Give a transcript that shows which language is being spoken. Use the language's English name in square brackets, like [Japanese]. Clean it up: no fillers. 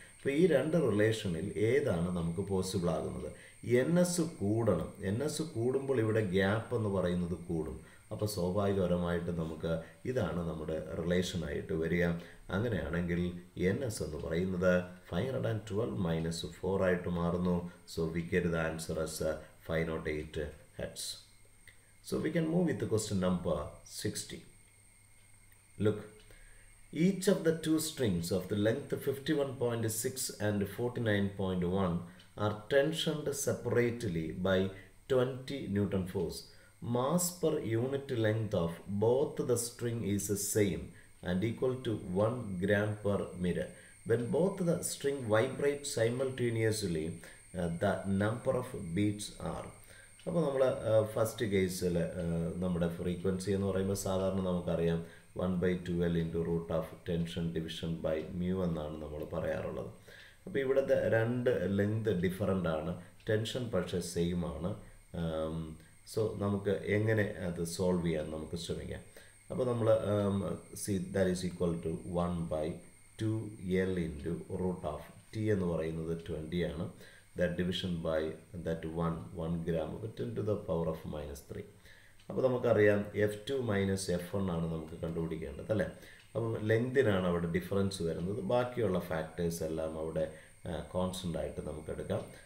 [Malayalam] അപ്പോൾ ഈ രണ്ട് റിലേഷനിൽ ഏതാണ് നമുക്ക് പോസിബിൾ ആകുന്നത്, എൻ എസ് കൂടണം, എൻ എസ് കൂടുമ്പോൾ ഇവിടെ ഗ്യാപ്പ് എന്ന് പറയുന്നത് കൂടും. അപ്പോൾ സ്വാഭാവികപരമായിട്ട് നമുക്ക് ഇതാണ് നമ്മുടെ റിലേഷനായിട്ട് വരിക. അങ്ങനെയാണെങ്കിൽ എൻ എസ് എന്ന് പറയുന്നത് 512 മൈനസ് 4 ആയിട്ട് മാറുന്നു. [English] So we get the answer as 508 hertz. So we can move with the question number 60. Look, each of the two strings of the length 51.6 and 49.1 are tensioned separately by 20 Newton force. Mass per unit length of both the string is the same and equal to 1 gram per meter. When both the string vibrate simultaneously, the number of beats are. [Malayalam] അപ്പോൾ നമ്മൾ first കേസിൽ നമ്മുടെ frequency എന്ന് പറയുമ്പോൾ സാധാരണ നമുക്കറിയാം 1/12 into [English] root of tension division by mu [Malayalam] എന്നാണ് നമ്മൾ പറയാറുള്ളത്. അപ്പോൾ ഇവിടുത്തെ രണ്ട് ലെങ്ത് ഡിഫറൻ്റ് ആണ്, ടെൻഷൻ പക്ഷേ സെയിം ആണ്. സോ നമുക്ക് എങ്ങനെ അത് സോൾവ് ചെയ്യാൻ നമുക്ക് ശ്രമിക്കാം. അപ്പോൾ നമ്മൾ C [English] that is equal to 1/2L into root of T [Malayalam] എന്ന് പറയുന്നത് 20 ആണ്. [English] That division by that 1 gram of 10 to the power of minus 3. [Malayalam] അപ്പോൾ നമുക്കറിയാം F2 മൈനസ് F1 ആണ് നമുക്ക് കണ്ടുപിടിക്കേണ്ടത് അല്ലേ. അപ്പോൾ ലെങ്തിനാണ് അവിടെ ഡിഫറൻസ് വരുന്നത്, ബാക്കിയുള്ള ഫാക്ടേഴ്സ് എല്ലാം അവിടെ കോൺസ്റ്റൻ്റ് ആയിട്ട് നമുക്കെടുക്കാം.